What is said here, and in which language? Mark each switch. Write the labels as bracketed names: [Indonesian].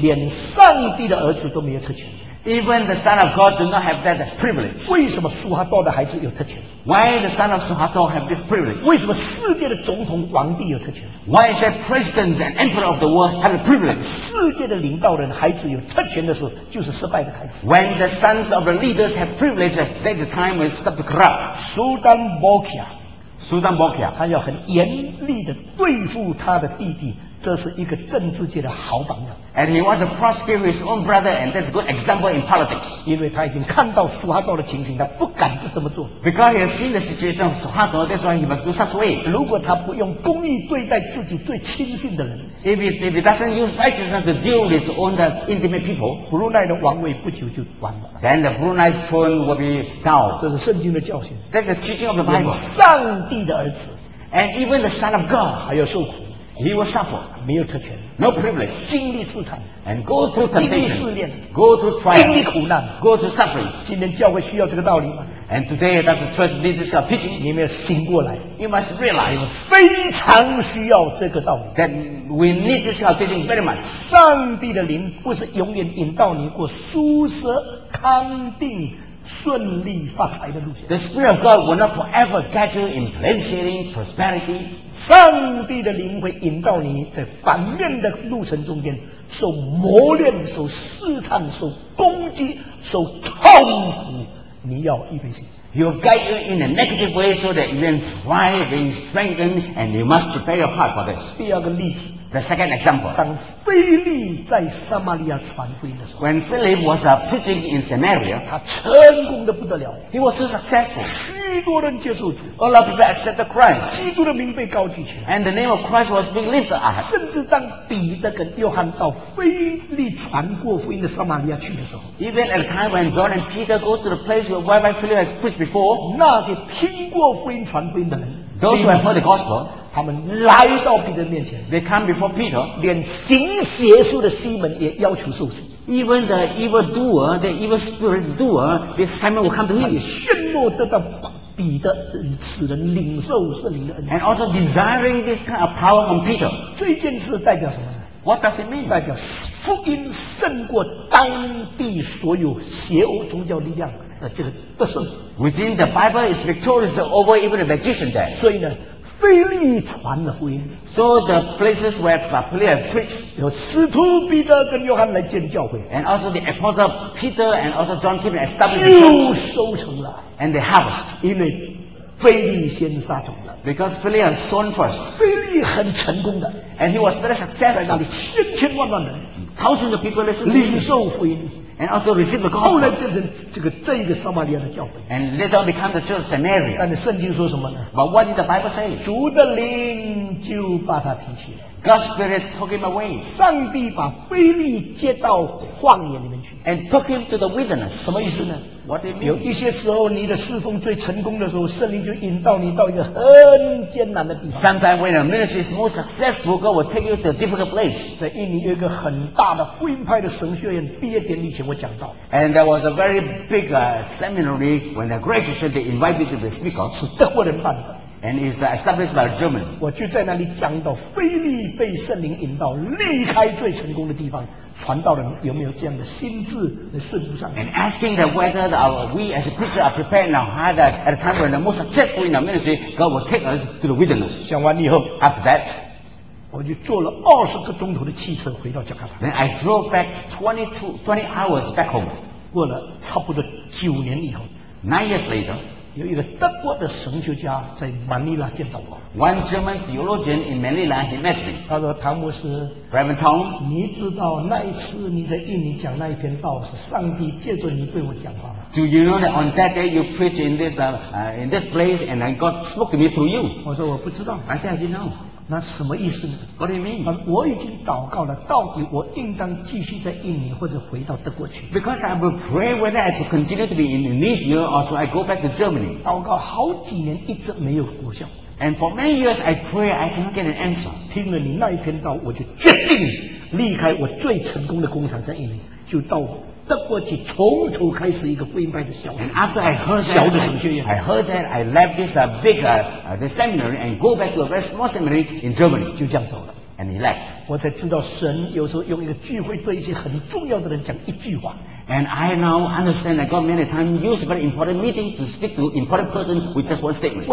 [Chinese] 连上帝的儿子都没有特权。 [English] Even the Son of God do not have that privilege. [Chinese] 为什么苏哈多的孩子有特权？ [English] Why the Son of Suhato have this privilege? [Chinese] 为什么世界的总统皇帝有特权？ [English] Why is that president and emperor of the world have a privilege? [Chinese] 世界的领导人孩子有特权的时候，就是失败的孩子。 [English] When the sons of the leaders have privilege, that's the time when stuff to corrupt. Sultan Bokia. Sultan Bokia. [Chinese] 他要很严厉地对付他的弟弟。这是一个政治界的好榜样。 [English] And he wants to prosecute his own brother, and that's a good example in politics. [Chinese] 因为他已经看到苏哈多的情形，他不敢不这么做。 [English] Because he has seen the situation of 苏哈多, that's why he must do such way. [Chinese] 如果他不用公义对待自己最亲信的人 [English] ，if he doesn't use righteousness to deal with his own intimate people, [Chinese] Brunei 的王位不久就完了。 [English] Then the Brunei's throne will be down. [Chinese] 这是圣经的教训。 [English] That's the teaching of the Bible. [Chinese] 上帝的儿子 [English] ，and even the Son of God [Chinese] 还要受苦。 [English] He will suffer. [Chinese] 没有特权 [English] No privilege. [Chinese] 经历试探 [English] And go through temptation. [Chinese] 经历试炼 [English] Go through trial. [Chinese] 经历苦难 [English] Go through suffering. [Chinese] 今天教会需要这个道理吗 [English] And today, does the church need this teaching? [Chinese] 你们要醒过来 [English] You must realize. [Chinese] 非常需要这个道理 [English] That we need this teaching very much. [Chinese] 上帝的灵不是永远引导你过舒适康定顺利发财的路线。 [English] The Spirit of God will not forever guide you in blessing prosperity. [Chinese] 上帝的灵会引导你在反面的路程中间受磨练、受试探、受攻击、受痛苦。你要预备心。 [English] He will guide you in a negative way so that you can thrive and strengthen, and you must prepare your heart for this. [Chinese] 第二个例子。 [English] The second example. [Chinese] 当腓力在撒玛利亚传福音的时候 [English] ，When Philip was preaching in Samaria， [Chinese] 他成功的不得了。 [English] He was successful。 [Chinese] 许多人接受主。 [English] A lot of people accepted Christ。 [Chinese] 基督的名被高举起来。 [English] And the name of Christ was being lifted up。 [Chinese] 甚至当彼得跟约翰到腓力传过福音的撒玛利亚去的时候 [English] ，Even at a time when John and Peter go to the place where Rabbi Philip has preached before， [Chinese] 那些听过福音传福音的人 [English] ，Those who have heard the gospel。 [Chinese] 他们来到彼得面前 [English] ，They come before Peter， [Chinese] 连行邪术的西门也要求受死。 [English] Even the evil doer, the evil spirit doer, this Simon will come to him。 [Chinese] 炫目得到彼得使人领受圣灵的恩赐。 [English] And also desiring this kind of power from Peter。 [Chinese] 这件事代表什么呢 [English] ？What does it mean？ [Chinese] 代表福音胜过当地所有邪恶宗教力量的这个得胜。 [English] Within the Bible is victorious over even the magician there。 [Chinese] 所以呢？腓力传的福音 [English] ，so the places where Philip preached， [Chinese] 有使徒彼得跟约翰来建教会 [English] ，and also the apostle Peter and also John came and established the church， [Chinese] 就收成了 [English] ，and they harvest， [Chinese] 因为腓力先撒种的 [English] ，because Philip has sown first， [Chinese] 腓力很成功的 [English] ，and he was very successful， [Chinese] 那里千千万万人 [English] ，thousands of people listen， [Chinese] 领受福音。 [English] And also receive the gospel. [Chinese] 后来变成这个撒玛利亚的教会。 [English] And later become the church of Samaria. [Chinese] 但是圣经说什么呢 [English] ？But what did the Bible say? [Chinese] 主的灵就把他提起来。 [English] God's spirit took him away. [Chinese] 上帝把腓力接到旷野里面去。 [English] And took him to the wilderness. [Chinese] 什么意思呢 [English] ？What it means? [Chinese] 有一些时候你的侍奉最成功的时候，圣灵就引导你到一个很艰难的地方。 [English] Sometimes when a ministry is most successful, God will take you to a difficult place. [Chinese] 在印尼有一个很大的福音派的神学院毕业典礼前，我讲到。 [English] And there was a very big seminary when the graduation they invited to be speaker. [Chinese] 是德国人办的。 [English] And is established by a German. [Chinese] 我就在那里讲到腓力被圣灵引到离开最成功的地方，传道人有没有这样的心智来顺服上帝 [English] ？And asking that whether we as a preacher are prepared now, how that at a time when the most successful in our ministry, God will take us to the wilderness. [Chinese] 讲完以后 [English] ，After that， [Chinese] 我就坐了20个钟头的汽车回到加拉。 [English] Then I drove back 20 hours back home. [Chinese] 过了差不多9年以后 [English] ，9 years later。 [Chinese] 有一个德国的神学家在马尼拉见到我。 [English] One German theologian in Manila he met me。 [Chinese] 他说：“唐牧师 [English] ，Reverend Tom， [Chinese] 你知道那一次你在印尼讲那一篇道是上帝借着你对我讲话吗 [English] ？”Do you know that on that day you preach in this in this place and then God spoke to me through you？ [Chinese] 我说我不知道。 [English] I said I didn't know。 [Chinese] 那什么意思呢 [English] ？What do you mean？ [Chinese] 他说我已经祷告了，到底我应当继续在印尼，或者回到德国去 [English] ？Because I will pray whether I continue to be in Indonesia or so I go back to Germany。 [Chinese] 祷告好几年一直没有果效。 [English] And for many years I pray I cannot get an answer。 [Chinese] 听了你那一篇道，我就决定离开我最成功的工厂在印尼，就到德国去从头开始一个福音派的小 [English] 学。And after I heard that, [Chinese] 小的神学院 [English] I heard that I left this big the seminary and go back to a very small seminary in Germany. [Chinese] 就这样走了。 [English] And he left. [Chinese] 我才知道神有时候用一个聚会对一些很重要的人讲一句话。 [English] And I now understand that God many times used a very important meeting to speak to important person with just one statement.